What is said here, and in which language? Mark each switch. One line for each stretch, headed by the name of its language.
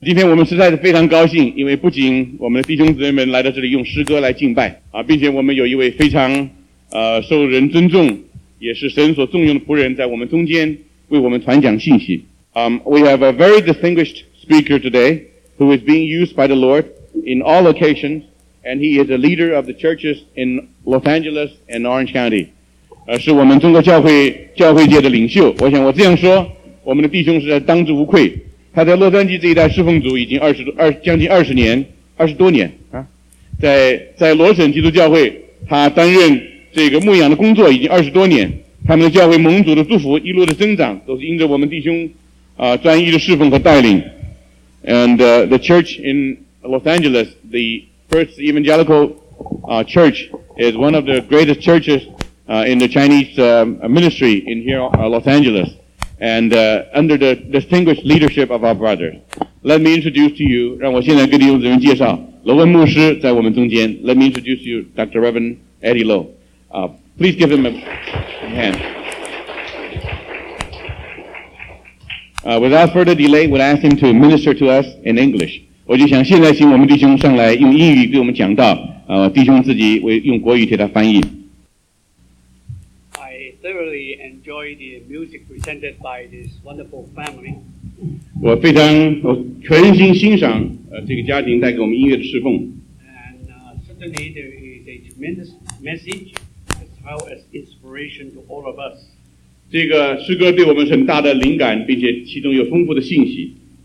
Chinese: 今天我们实在是非常高兴，因为不仅我们的弟兄姊妹们来到这里用诗歌来敬拜啊，并且我们有一位非常受人尊重，也是神所重用的仆人在我们中间为我们传讲信息。
English: We have a very distinguished speaker today who is being used by the Lord in all locations, and he is a leader of the churches in Los Angeles and Orange County.
Chinese: 是我们中国教会界的领袖。我想我这样说，我们的弟兄是在当之无愧。他在洛杉矶这一带侍奉组已经将近二十多年啊，在罗省基督教会，他担任这个牧养的工作已经二十多年。他们的教会蒙主的祝福，一路的增长，都是因着我们弟兄专一的侍奉和带领。
English: And the church in Los Angeles, the First Evangelical Church, is one of the greatest churches in the Chinese ministry in here, Los Angeles. And under the distinguished leadership of our brothers, let me introduce to you.
Chinese: 让我现在跟弟兄姊妹介绍罗文牧师在我们中间。
English: Let me introduce you, Dr. Reverend Eddie Low. Please give him a hand. Without further delay, we'll ask him to minister to us in English.
Chinese: 我就想现在请我们弟兄上来用英语给我们讲道。弟兄自己为用国语替他翻译。
English: Thoroughly enjoy the music presented by this wonderful family.
Chinese: 我非常我全心欣赏这个家庭带给我们音乐的侍奉。
English: And certainly there is a tremendous message as well as inspiration to all of us.
Chinese: 这个诗歌对我们很大的灵感，并且其中有丰富的信息。